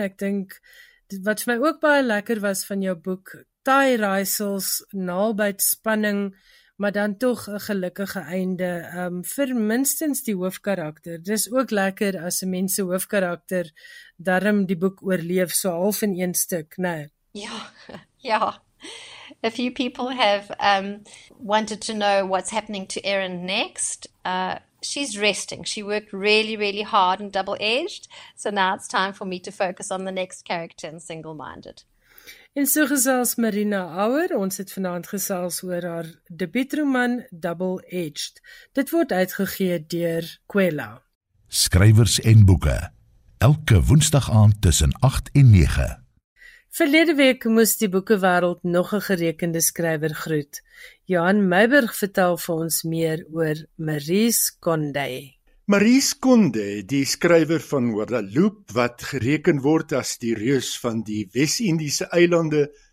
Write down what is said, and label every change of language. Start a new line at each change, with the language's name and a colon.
Afrikaans: Ek dink wat vir my ook baie lekker was van jou boek, taai raaisels, naalbyt spanning, maar dan tog 'n gelukkige einde vir minstens die hoofkarakter. Dis ook lekker as 'n mens se hoofkarakter darm die boek oorleef so half in een stuk, né? Ja.
English: A few people have wanted to know what's happening to Erin next. She's resting. She worked really, really hard and double-edged. So now it's time for me to focus on the next character in Single-Minded.
Afrikaans: En so gesels Marina Auer. Ons het vanaand gesels oor haar debuutroman Double-Edged. Dit word uitgegee deur Quella. Skrywers en boeke. Elke woensdag aand tussen 8 en 9. Verlede week moes die boekewêreld nog 'n gerekende skrywer groet. Johan Meiburg vertel vir ons meer oor Maryse Condé. Maryse Condé, die skrywer van Guadeloupe, wat gereken word as die reus van die Wes-Indiese eilande,